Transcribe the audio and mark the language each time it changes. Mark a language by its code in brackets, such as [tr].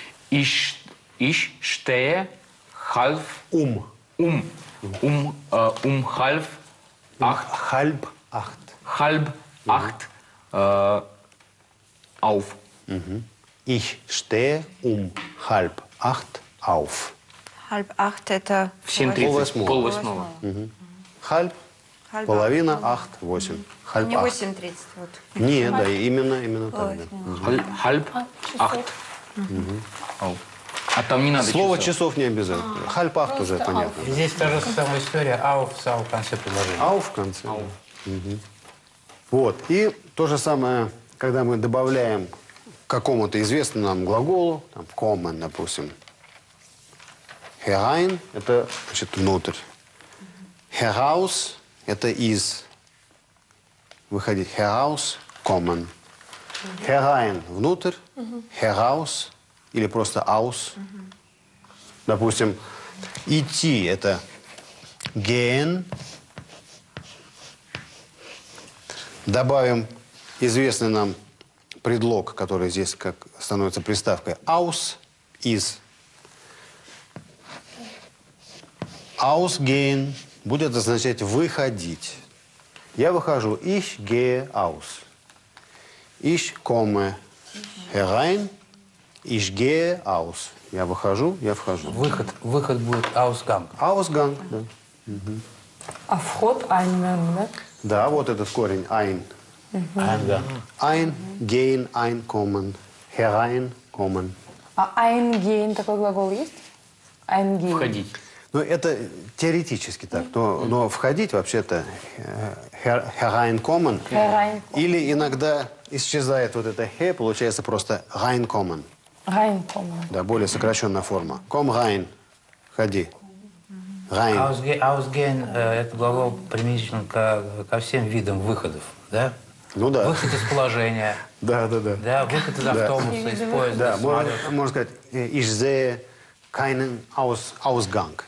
[de] Ich stehe half half acht. Halb acht. Halb acht auf. Mhm. Ich stehe halb acht auf. Halb acht – [ru] это полвосьмого. Halb – половина, acht – восемь. Не 8.30. Не, да, именно так. [de] Halb acht. [ru] А там не надо. Слово часов не обязательно. [de] Halb acht [ru] уже понятно. Здесь та же самая история. Auf в конце предложения. Auf в конце. Вот. И то же самое, когда мы добавляем к какому-то известному нам глаголу, там kommen, допустим. Herein – это значит внутрь. Heraus – это из. Выходить heraus, kommen. Herein – внутрь, heraus или просто aus. Допустим, идти – это gehen. Добавим известный нам предлог, который здесь как становится приставкой aus, из. Ausgehen будет означать выходить. Я выхожу. [de] Ich gehe aus. Ich komme. herein, ich gehe aus. [ru] Я выхожу, я вхожу. Выход, выход будет ausgang. Ausgang, да. А вход einwerden, да? Да, вот этот корень, ein. [de] Ein, gehen, einkommen, hereinkommen. [ru] А eingehen, такой глагол есть? [de] Eingehen. [ru] Входить. Ну, это теоретически так, но входить вообще-то hereinkommen. Или иногда исчезает вот это he, получается просто reinkommen. [de] Reinkommen. [ru] Да, более сокращенная форма. [de] Komm rein, [ru] входи. [de] Rein. [ru] Ausgehen, это глагол применительно ко всем видам выходов, да? Ну да. Выход из положения. Да, да, да. Да, выход из автобуса, из поезда. Да, можно сказать, [de] ich sehe keinen Ausgang.